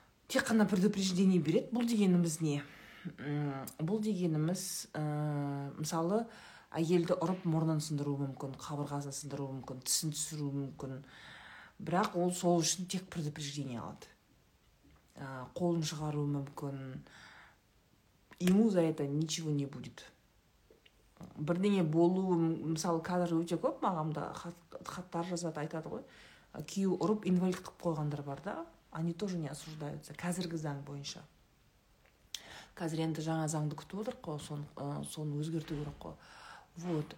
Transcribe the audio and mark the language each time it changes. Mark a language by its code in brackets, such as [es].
[kk] Тек қана предупреждение береді, бұл дегеніміз не? Бұл дегеніміз, мысалы, әйелді ұрып мұрнын сындыруы мүмкін, қабырғасын сындыруы мүмкін, тісін түсіруі мүмкін. Бірақ ол сол үшін тек предупреждение алады. Қолын шығаруы мүмкін. [ru] Ему за это ничего не будет. [kk] Бірдеңе болуы, мысалы, қазір өте көп мағамда хаттар жазады, айтады ғой. Күйеу ұрып инвалид қып қойғандар бар да, [ru] они тоже не осуждаются. [kk] Қазіргі заң бойынша. Қазір енді жаңа заңды күтіп отырмыз ғой, соны өзгерту керек қой. Вот.